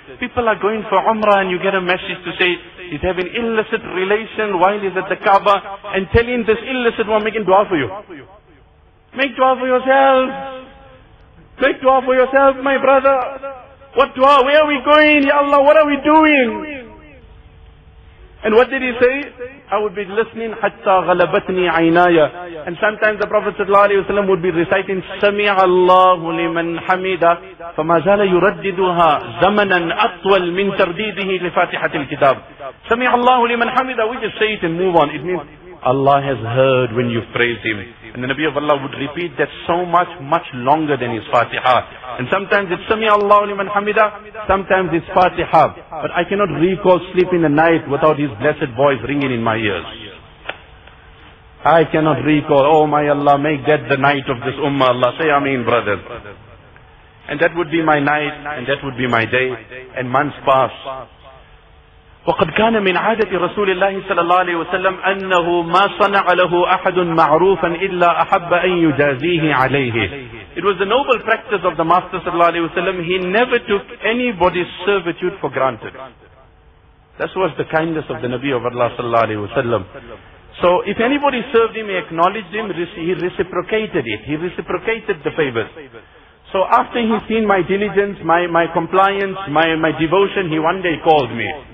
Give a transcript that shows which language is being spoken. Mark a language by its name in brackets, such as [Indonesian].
[English] People are going for Umrah and you get a message to say, he's having illicit relation while he's at the Kaaba, and telling this illicit one, making dua for you. Make dua for yourself. Make dua for yourself, my brother. What dua? Where are we going? Ya Allah, what are we doing? And what did he say? I would be listening, [Arabic] حَتَّى غَلَبَتْنِي عَيْنَايَ. [English] And sometimes the Prophet sallallahu alayhi wa sallam would be reciting, [Arabic] سَمِعَ اللَّهُ لِمَنْ حَمِدَ فَمَا زَالَ يُرَدِّدُهَا زَمَنًا أَطْوَلْ مِنْ تَرْدِيدِهِ لِفَاتِحَةِ الْكِتَابِ. سَمِعَ اللَّهُ لِمَنْ حَمِدَ. [English] We just say it and move on. It means, Allah has heard when you praise Him. And the Nabi of Allah would repeat that so much, much longer than his Fatiha. And sometimes it's Sami Allahu liman hamida, sometimes it's Fatiha. But I cannot recall sleep in the night without his blessed voice ringing in my ears. I cannot recall, oh my Allah, make that the night of this ummah, Allah. Say Ameen, brothers. And that would be my night, and that would be my day, and months pass. [Arabic] وقد كان من عادة رسول الله صلى الله عليه وسلم أنه ما صنع له أحد معروفا إلا أحب أن يجازيه عليه. [English] It was the noble practice of the Master صلى الله عليه وسلم. He never took anybody's servitude for granted. This was the kindness of the Nabi of Allah صلى الله عليه وسلم. So if anybody served him, he acknowledged him, he reciprocated it. He reciprocated the favors. So after he seen my diligence, my compliance, my devotion, he one day called me.